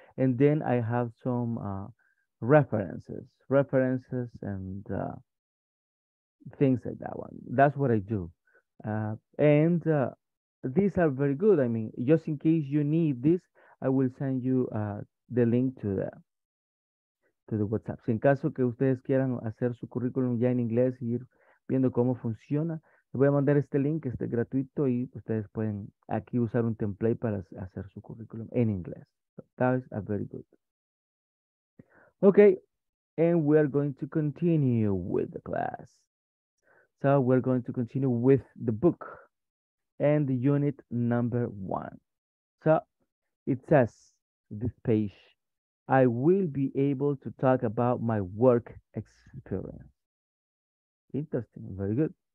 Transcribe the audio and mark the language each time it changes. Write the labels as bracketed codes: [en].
[en] And then I have some references and things like that one. That's what I do. These are very good. I mean, just in case you need this, I will send you the link to that. To the WhatsApp. [es] Si en caso que ustedes quieran hacer su currículum ya en inglés y ir viendo cómo funciona, les voy a mandar este link, este es gratuito y ustedes pueden aquí usar un template para hacer su currículum en inglés. [en] So that is a very good. Okay, and we are going to continue with the class. So we're going to continue with the book and unit number one. So it says this page, I will be able to talk about my work experience. Interesting, very good.